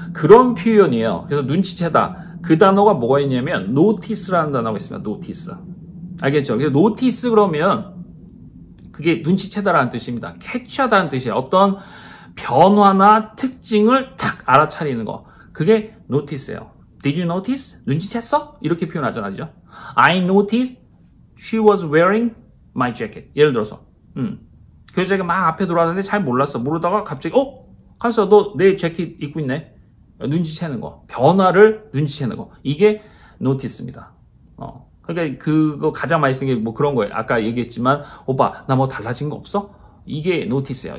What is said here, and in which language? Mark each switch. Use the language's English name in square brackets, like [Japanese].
[Korean] 그런 표현이에요. 그래서 눈치채다. 그 단어가 뭐가 있냐면 notice라는 단어가 있습니다. notice. 알겠죠? 그래서 notice 그러면 그게 눈치채다라는 뜻입니다. catch하다는 뜻이에요. 어떤 변화나 특징을 탁 알아차리는 거. 그게 notice예요. [English] Did you notice? [Korean] 눈치챘어? 이렇게 표현하잖아, 그죠? [English] I noticed she was wearing my jacket. [Korean] 예를 들어서, 그 여자가 막 앞에 돌아왔는데 잘 몰랐어. 모르다가 갑자기, 가서 너 내 재킷 입고 있네. 눈치채는 거. 변화를 눈치채는 거. 이게 notice입니다. 그러니까 그거 가장 많이 쓰는 게 뭐 그런 거예요. 아까 얘기했지만, 오빠, 나 뭐 달라진 거 없어? 이게 notice예요.